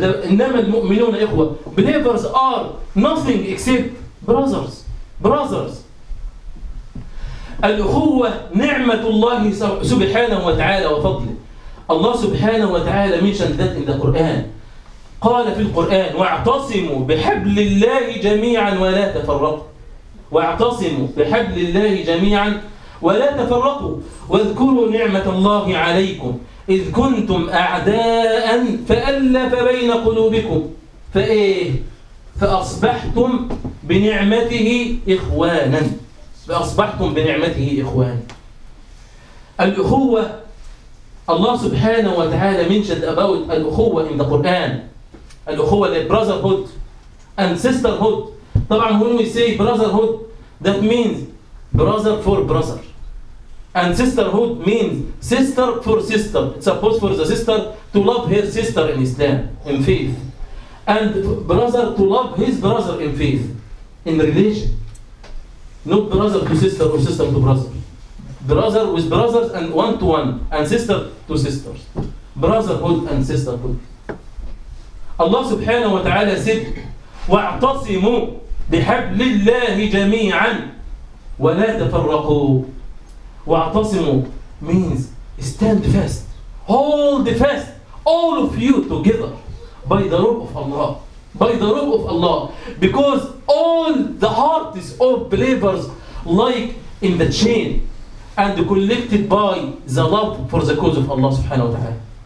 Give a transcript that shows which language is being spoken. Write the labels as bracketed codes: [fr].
[en] Innama al-mu'minuna ikhwa. Believers are nothing except brothers. Brothers. [ar] الأخوة نعمة الله سبحانه وتعالى وفضله. [en] الله سبحانه وتعالى mentioned that in the Quran. [ar] قال في القرآن واعتصموا بحبل الله جميعا ولا تفرقوا. واعتصموا بحبل الله جميعا ولا تفرقوا. واذكروا نعمة الله عليكم إذ كنتم أعداء فألف بين قلوبكم فإيه فأصبحتم بنعمته إخوانا. فأصبحتم بنعمته إخوان. [en] الأخوة الله سبحانه وتعالى mentioned about الأخوة in the Quran. الأخوة like brotherhood and sisterhood. طبعا when we say brotherhood that means brother for brother and sisterhood means sister for sister. It's supposed for the sister to love her sister in Islam in faith and brother to love his brother in faith in religion. Not brother to sister or sister to brother. Brother with brothers and one to one and sister to sisters. Brotherhood and sisterhood. Allah subhanahu wa ta'ala said, وَاعْتَصِمُوا بِحَبْلِ اللَّهِ جَمِيعًا وَلَا تَفَرَّقُوا. وَاعْتَصِمُوا means stand fast. Hold fast. All of you together by the rope of Allah. By the rope of Allah, because all the hearts of believers like in the chain and collected by the love for the cause of Allah subhanahu wa ta'ala.